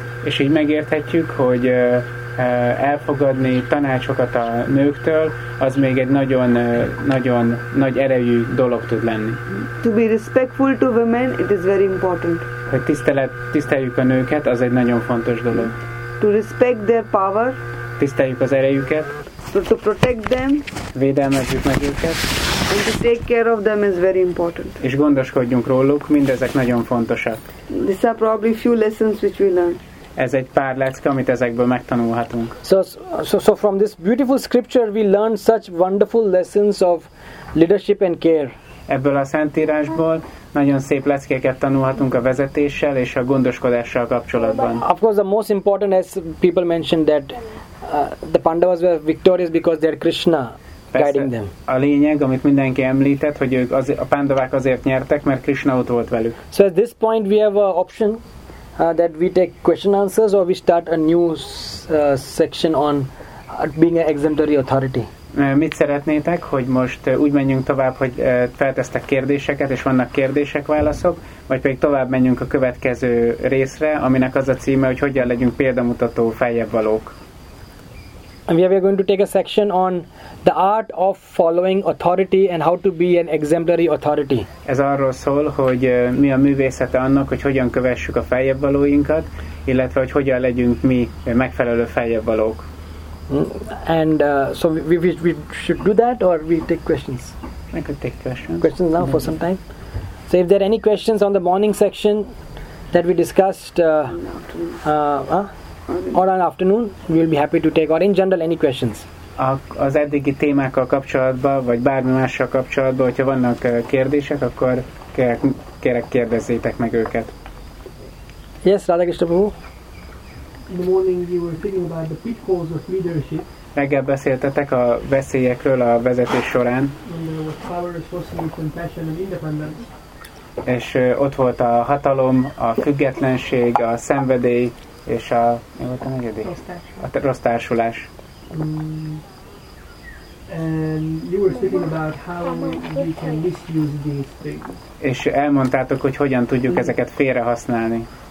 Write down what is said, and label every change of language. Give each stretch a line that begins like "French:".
Hungarian: És így megérthetjük, hogy elfogadni tanácsokat a nőktől, az még egy nagyon nagyon nagy erejű dolog tud lenni.
English: To be respectful to women, it is very important.
Hungarian: Hogy tiszteljük a nőket, az egy nagyon fontos dolog.
English: To respect their power.
Hungarian: Tiszteljük az erejüket.
English: To protect them.
Hungarian: Védelmezzük meg őket.
English: And to take care of them is very important.
Hungarian: És gondoskodjunk róluk, mindezek nagyon fontosak.
English: These are probably few lessons which we learn.
Hungarian: Ez egy pár lecke, amit ezekből megtanulhatunk.
English: So from this beautiful scripture we learn such wonderful lessons of leadership and care.
Hungarian: Ebből a Szentírásból nagyon szép leckéket tanulhatunk a vezetéssel és a gondoskodással kapcsolatban.
English: Of course the most important, as people mentioned, that the Pandavas were victorious because they are Krishna guiding them.
Hungarian: A lényeg, amit mindenki említett, hogy ők az, a Pandavák azért nyertek, mert Krishna ott volt velük.
English: So at this point we have an option that we take question answers or we start a new section on being an exemplary authority.
Hungarian: Mit szeretnétek, hogy most úgy menjünk tovább, hogy feltesztek kérdéseket, és vannak kérdések, válaszok, vagy pedig tovább menjünk a következő részre, aminek az a címe, hogy hogyan legyünk példamutató feljebbvalók.
English: We are going to take a section on the art of following authority and how to be an exemplary authority.
Hungarian: Ez arról szól, hogy mi a művészete annak, hogy hogyan kövessük a feljebbvalóinkat, illetve hogy hogyan legyünk mi megfelelő feljebbvalók.
English: And so we should do that, or we take questions. I could take questions. Questions now for some time. So if there are any questions on the morning section that we discussed, or on afternoon, we will be happy to take. Or in general, any questions.
Hungarian: Az eddigi témákkal kapcsolatban, vagy bármi mással kapcsolatban, hogyha vannak kérdések, akkor kérek kérdezzétek meg őket.
English: Yes, Radha Krishna Prabhu. In the morning you were thinking about the pitfalls of leadership.
Hungarian: Reggel beszéltetek a veszélyekről a vezetés során.
English: And there was power, responsibility, compassion and independence.
Hungarian: És ott volt a hatalom, a függetlenség, a szenvedély és a... mi volt a negyedik? Rossz társulás.
English: And you were thinking about how we can misuse these things.
Hungarian: És elmondtátok, hogy hogyan tudjuk ezeket félre használni.